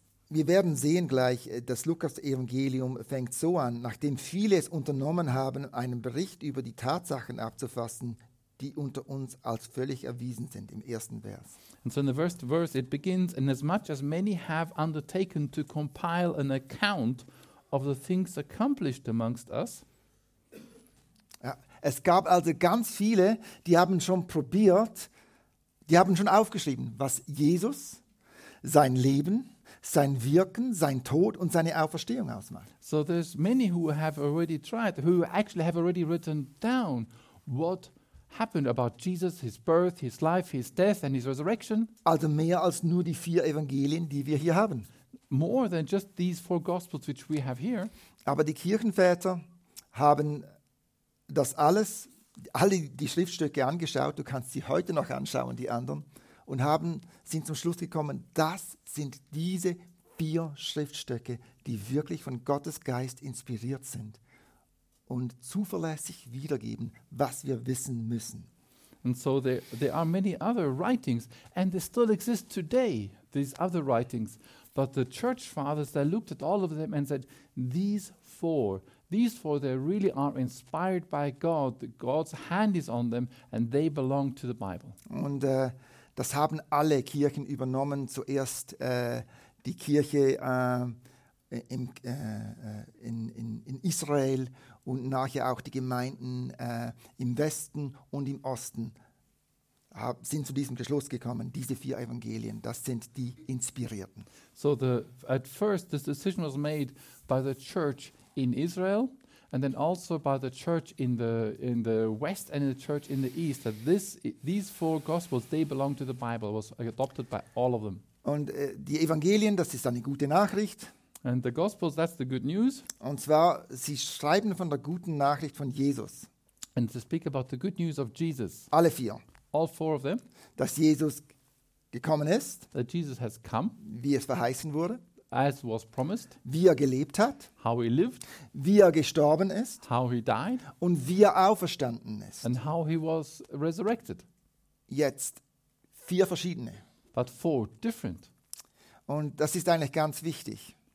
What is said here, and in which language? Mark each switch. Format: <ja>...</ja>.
<de>Wir werden sehen gleich, das Lukas-Evangelium fängt so an, nachdem viele es unternommen haben, einen Bericht über die Tatsachen abzufassen, die unter uns als völlig erwiesen sind, im ersten Vers.</de> <en>And so in the first verse it begins, inasmuch as many have undertaken to compile an account of the things accomplished amongst us.</en> <de>Ja, es gab also ganz viele, die haben schon probiert, die haben schon aufgeschrieben, was Jesus, sein Leben, sein Wirken, sein Tod und seine Auferstehung ausmacht.</de> <en>So there's many who have already tried, who actually have already written down what happened about Jesus, his birth, his life, his death and his resurrection.</en> <de>Also mehr als nur die vier Evangelien, die wir hier haben.</de> <en>More than just these four Gospels which we have here.</en> <de>Aber die Kirchenväter haben das alles, alle die Schriftstücke angeschaut, du kannst sie heute noch anschauen, die anderen, und sind zum Schluss gekommen, dass sind diese vier Schriftstücke, die wirklich von Gottes Geist inspiriert sind und zuverlässig wiedergeben, was wir wissen müssen.</de> <en>And so there are many other writings, and they still exist today, these other writings. But the church fathers, they looked at all of them and said, these four, they really are inspired by God. God's hand is on them, and they belong to the Bible.</en> <de>Und das haben alle Kirchen übernommen, zuerst die Kirche in Israel und nachher auch die Gemeinden im Westen und im Osten sind zu diesem Schluss gekommen, diese vier Evangelien, das sind die Inspirierten.</de> <en>So at first this decision was made by the church in Israel and then also by the church in the west and the church in the east, that these four gospels, they belong to the Bible, was adopted by all of them.</en> <de>Und die Evangelien, das ist eine gute Nachricht.</de> <en>And the gospels, that's the good news.</en> <de>Und zwar, sie schreiben von der guten Nachricht von Jesus.</de> <en>And to speak about the good news of Jesus.</en> <de>Alle vier.</de> <en>All four of them.</en> <de>Dass Jesus gekommen ist.</de> <en>That Jesus has come.</en> <de>Wie es verheißen wurde.</de> <en>As was promised,</en> <de>wie er gelebt hat,</de> <en>how he lived,</en> <de>wie er gestorben ist,</de> <en>how he died,</en> <de>und wie er auferstanden ist,</de> <en>and how he was resurrected.</en> <de>Jetzt vier verschiedene,</de> <en>but four different.</en> <de>Und das ist eigentlich ganz wichtig.</de>